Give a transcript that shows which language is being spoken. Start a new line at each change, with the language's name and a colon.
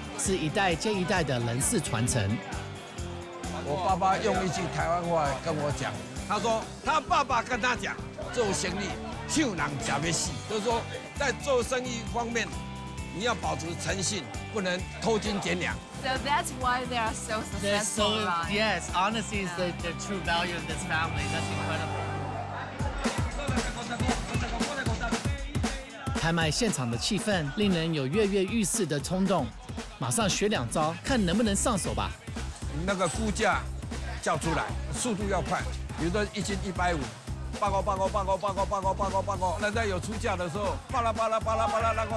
Chinese: 是一代接一代的人事传承。我爸爸用一句台湾话跟我讲，他说他爸爸跟他讲，做生意手人吃要死，就是说在做生意方面，你要保持诚信，不能偷斤减两。
English: So that's why they are so successful. They're so, yes, honesty is the true value of this family. That's incredible.
Chinese: 拍卖现场的气氛令人有跃跃欲试的冲动，马上学两招，看能不能上手吧。那个估价叫出来，速度要快。比如说一斤一百五，报告报告报告报告报告报告报告，人家有出价的时候，巴拉巴拉巴拉巴拉，